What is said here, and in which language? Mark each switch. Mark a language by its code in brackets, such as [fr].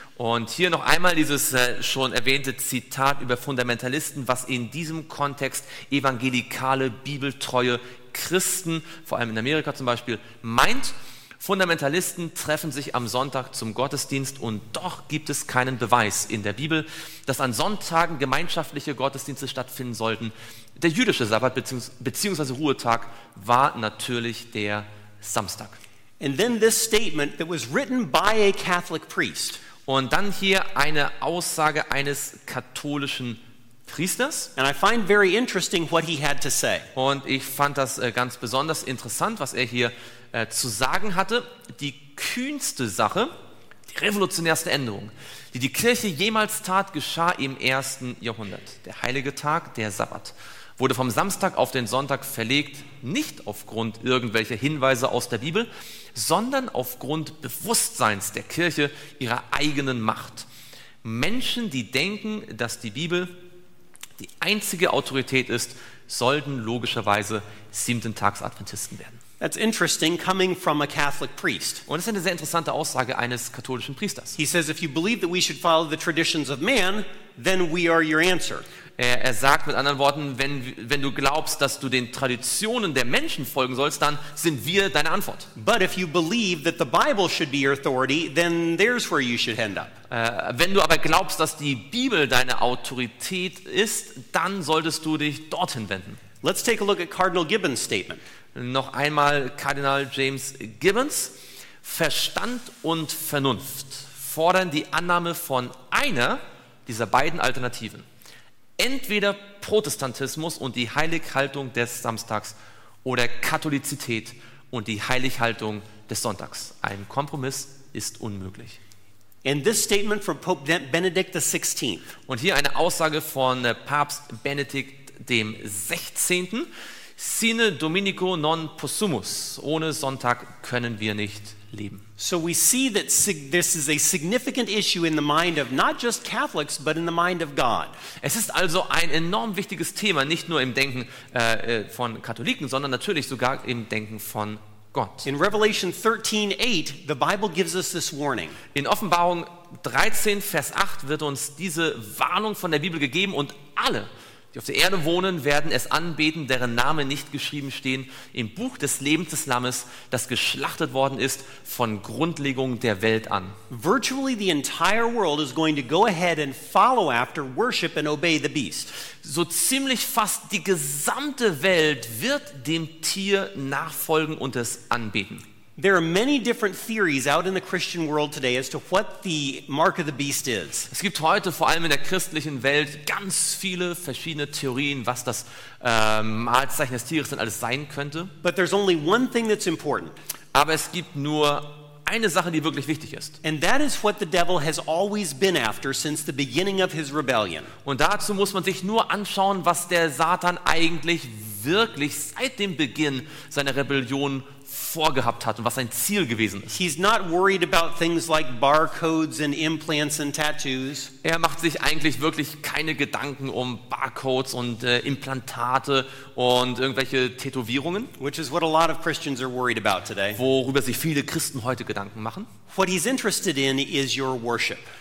[de] Und hier noch einmal dieses schon erwähnte Zitat über Fundamentalisten, was in diesem Kontext evangelikale, bibeltreue Christen, vor allem in Amerika zum Beispiel, meint. Fundamentalisten treffen sich am Sonntag zum Gottesdienst und doch gibt es keinen Beweis in der Bibel, dass an Sonntagen gemeinschaftliche Gottesdienste stattfinden sollten. Der jüdische Sabbat bzw. Ruhetag war natürlich der Samstag. [en] And then this statement that was written by a Catholic priest. [de] Und dann hier eine Aussage eines katholischen Priesters. [en] And I find very interesting what he had to say. [de] Und ich fand das ganz besonders interessant, was er hier zu sagen hatte, die kühnste Sache, die revolutionärste Änderung, die die Kirche jemals tat, geschah im ersten Jahrhundert. Der heilige Tag, der Sabbat, wurde vom Samstag auf den Sonntag verlegt, nicht aufgrund irgendwelcher Hinweise aus der Bibel, sondern aufgrund Bewusstseins der Kirche ihrer eigenen Macht. Menschen, die denken, dass die Bibel die einzige Autorität ist, sollten logischerweise Siebenten-Tags-Adventisten werden. [en] That's interesting, coming from a Catholic priest. [de] Und das ist eine sehr interessante Aussage eines katholischen Priesters. [en] He says, if you believe that we should follow the traditions of man, then we are your answer. [de] Er sagt mit anderen Worten, wenn du glaubst, dass du den Traditionen der Menschen folgen sollst, dann sind wir deine Antwort. [en] But if you believe that the Bible should be your authority, then there's where you should end up. [de] Wenn du aber glaubst, dass die Bibel deine Autorität ist, dann solltest du dich dorthin wenden. [en] Let's take a look at Cardinal Gibbons' statement. [de] Noch einmal Kardinal James Gibbons. Verstand und Vernunft fordern die Annahme von einer dieser beiden Alternativen. Entweder Protestantismus und die Heilighaltung des Samstags oder Katholizität und die Heilighaltung des Sonntags. Ein Kompromiss ist unmöglich. [en] And this statement from Pope Benedict XVI. [de] Und hier eine Aussage von Papst Benedikt dem 16. [la] Sine Dominico non possumus. [de] Ohne Sonntag können wir nicht leben. [en] So we see that this is a significant issue in the mind of not just Catholics, but in the mind of God. [de] Es ist also ein enorm wichtiges Thema, nicht nur im Denken von Katholiken, sondern natürlich sogar im Denken von Gott. [en] In Revelation 13:8, the Bible gives us this warning. [de] In Offenbarung 13, Vers 8 wird uns diese Warnung von der Bibel gegeben und alle, die auf der Erde wohnen, werden es anbeten, deren Namen nicht geschrieben stehen im Buch des Lebens des Lammes, das geschlachtet worden ist von Grundlegung der Welt an. [en] Virtually the entire world is going to go ahead and follow after worship and obey the beast. [de] So ziemlich fast die gesamte Welt wird dem Tier nachfolgen und es anbeten. [en] There are many different theories out in the Christian world today as to what the mark of the beast is. [de] Es gibt heute vor allem in der christlichen Welt ganz viele verschiedene Theorien, was das Markenzeichen des Tieres denn alles sein könnte. [en] But there's only one thing that's important. [de] Aber es gibt nur eine Sache, die wirklich wichtig ist. [en] And that is what the devil has always been after since the beginning of his rebellion. [de] Und dazu muss man sich nur anschauen, was der Satan eigentlich wirklich seit dem Beginn seiner Rebellion vorgehabt hat und was sein Ziel gewesen ist. [en] He's not worried about things like barcodes and implants and tattoos. [de] Er macht sich eigentlich wirklich keine Gedanken um Barcodes und Implantate und irgendwelche Tätowierungen. [en] Which is what a lot of Christians are worried about today. [de] Worüber sich viele Christen heute Gedanken machen. [en] What he's interested in is your worship.